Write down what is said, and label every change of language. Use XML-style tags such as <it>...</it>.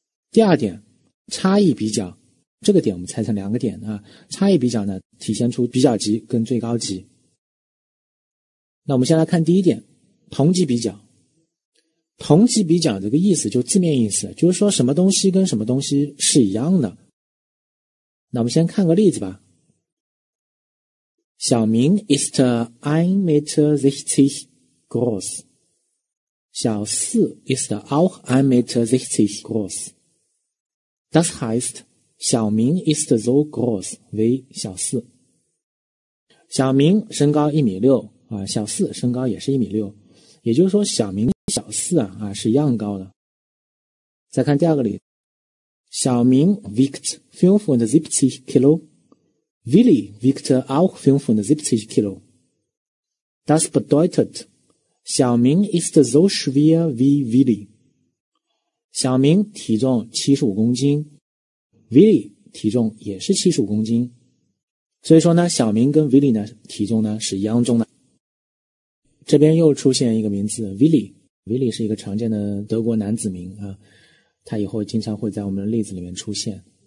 <zh>第二点，差异比较，这个点我们拆成两个点啊，差异比较呢体现出比较级跟最高级。那我们先来看第一点，同级比较。同级比较这个意思就字面意思，就是说什么东西跟什么东西是一样的。那我们先看个例子吧。</zh> <de>小明 ist 1,60m groß。小四 ist auch 1,60m groß。 Das heißt,小明 ist so groß wie 小四。</de> <zh>小明身高1.6米啊，小四身高也是1.6米，也就是说小明小四啊是一样高的。再看第二个例子，</zh> <de>小明 wiegt 75 kilo， Willi wiegt auch 75 kilo。 Das bedeutet 小明 ist so schwer wie Willi。</de> <zh>小明体重75公斤，Willy 体重也是75公斤，所以说呢，小明跟 Willy 呢体重呢是一样重的。这边又出现一个名字 Willy， Willy 是一个常见的德国男子名啊，他以后经常会在我们的例子里面出现。</zh>